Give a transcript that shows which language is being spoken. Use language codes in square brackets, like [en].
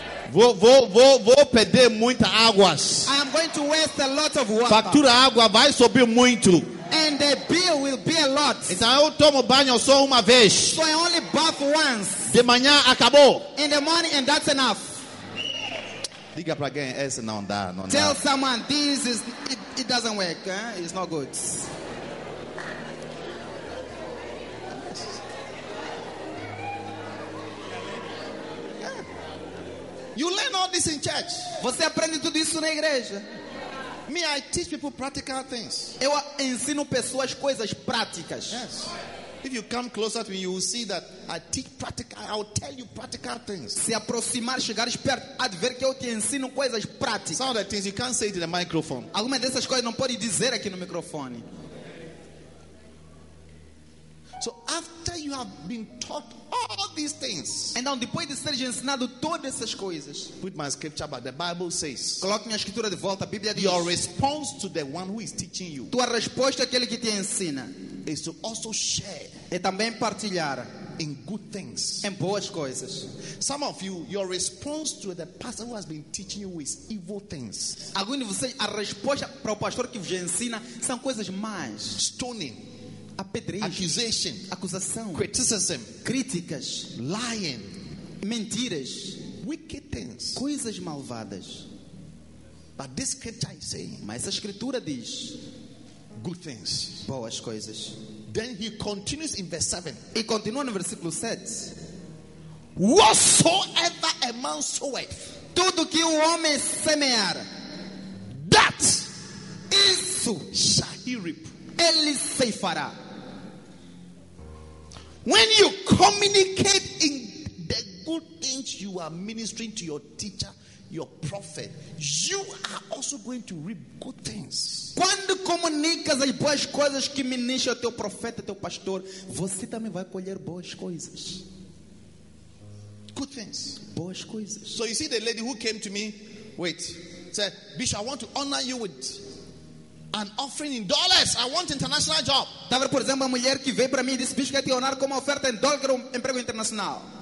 [pt] Vou perder muita água. [en] I am going to waste a lot of water. [pt] Fatura água vai subir muito. [en] And the bill will be a lot. [pt] Então eu tomo banho só uma vez. [en] So I only bath once. [pt] De manhã acabou. [en] In the morning and that's enough. [pt] Diga para alguém, esse não dá, não dá. [en] Tell someone this is it doesn't work, eh? It's not good. You learn all this in church. [pt] Você aprende tudo isso na igreja. [en] Me, I teach people practical things. [pt] Eu ensino pessoas coisas práticas. [en] Yes. If you come closer to me, you will see that I teach practical. I will tell you practical things. [pt] Se aproximar, chegar perto, adver que eu te ensino coisas práticas. [en] Some of the things you can't say to the microphone. [pt] Alguma dessas coisas não pode dizer aqui no microfone. [en] So after you have been taught all these things, [pt] então depois de ser ensinado todas essas coisas, [en] put my scripture back. The Bible says. [pt] Coloque minha escritura de volta. A Bíblia diz. [en] Your response to the one who is teaching you. [pt] Tua resposta àquele que te ensina. [en] Is to also share. [pt] É também partilhar [en] in good things. [pt] Em boas coisas. [en] Some of you, your response to the pastor who has been teaching you is evil things. [pt] Alguns de vocês, a resposta para o pastor que vos ensina são coisas más. [en] Stoning. [pt] Apedrejo. [en] Accusation. [pt] Acusação. [en] Criticism. [pt] Críticas. [en] Lying. [pt] Mentiras. [en] Wicked things. [pt] Coisas malvadas. [en] But this scripture is saying. [pt] Mas essa escritura diz. [en] Good things. [pt] Boas coisas. [en] Then he continues in verse 7. [pt] E continua no versículo 7. [en] Whatsoever a man soweth. [pt] Tudo que o homem semear. [en] That. [pt] Isso. [en] Shall he reap. [pt] ele ceifará. [en] When you communicate in the good things you are ministering to your teacher, your prophet, you are also going to reap good things. [pt] Quando comunicas as boas coisas que ministra teu profeta, teu pastor, você também vai colher boas coisas. [en] Good things. [pt] Boas coisas. [en] So you see the lady who came to me, wait, said, Bishop, I want to honor you with an offering in dollars. I want international job. [pt] Tava por exemplo a mulher que veio para mim e disse, Bishop, quer te honrar com uma oferta em dólar, um emprego internacional.